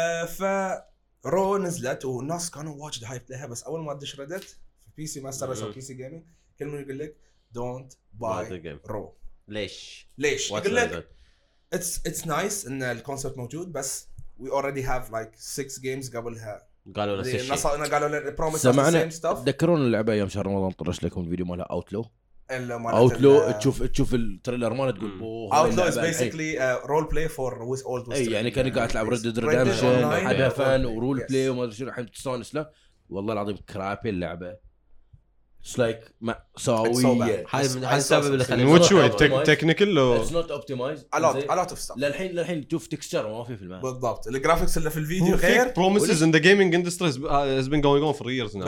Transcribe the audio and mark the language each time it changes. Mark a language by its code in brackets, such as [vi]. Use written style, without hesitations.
[ar] فا رو نزلت والناس كانوا واجد هايب لها بس أول ما أدش ردت في PC ماستر أو PC جيمنج كل من يقول لك [en] don't buy [ar] رو. ليش؟ يقول لك [en] it's nice [ar] إن الكونسبت موجود بس [en] we already have like 6 games [ar] قبلها قالوا نفس الشيء نص انا قالوا لنا [en] promise the same stuff [ar] تذكرون اللعبه ايام شهر رمضان طرش لكم الفيديو مال اوتلو اوتلو تشوف التريلر مال تقول [en] Outlaw is basically a role play for with old [ar] western يعني كان قاعد تلعب Red Dead Redemption حدها فان ورول بلاي وما ادري شنو الحين تستانس له والله العظيم كرابي اللعبه [en] it's like [ar] ما سوي هاي من السبب اللي خلاني مش شوي technical [en] or it's not optimized a lot of stuff [ar] للحين تشوف texture ما في الماء بالضبط الجرافيكس اللي في الفيديو غير [en] promises in the gaming industry has been going on for years now